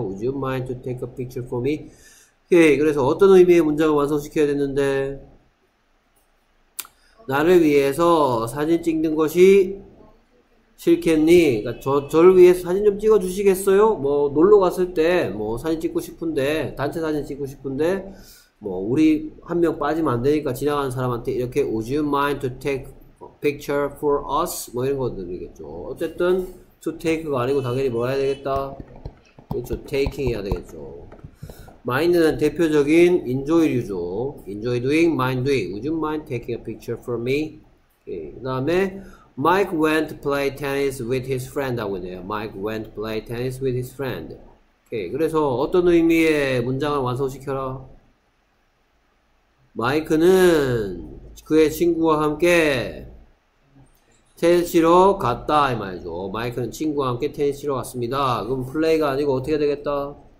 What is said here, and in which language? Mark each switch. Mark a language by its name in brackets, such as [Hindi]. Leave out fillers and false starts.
[English] would you mind to take a picture from me. [Korean] 오케이. 그래서 어떤 의미의 문장을 완성시켜야 되는데 나를 위해서 사진 찍는 것이 싫겠니? 그러니까 저를 위해서 사진 좀 찍어주시겠어요? 뭐 놀러 갔을 때뭐 사진 찍고 싶은데 단체 사진 찍고 싶은데 뭐 우리 한명 빠지면 안 되니까 지나가는 사람한테 이렇게 [English] Would you mind to take picture for us? [Korean] 뭐 이런 거 드리겠죠. 어쨌든 to take가 아니고 당연히 뭐 해야 되겠다? 그렇죠. taking 해야 되겠죠. mind는 대표적인 enjoy 류죠. [English] enjoy doing, mind doing. Would you mind taking a picture from me? 오케이. [Korean] 그 다음에 [English] Mike went to play tennis with his friend [Korean] 하고 있네요. [English] Mike went to play tennis with his friend. [Korean] 오케이. 그래서 어떤 의미의 문장을 완성시켜라? 마이크는 그의 친구와 함께 테니스로 갔다 이 말이죠. 마이크는 친구와 함께 테니스로 갔습니다. 그럼 플레이가 아니고 어떻게 해야 되겠다?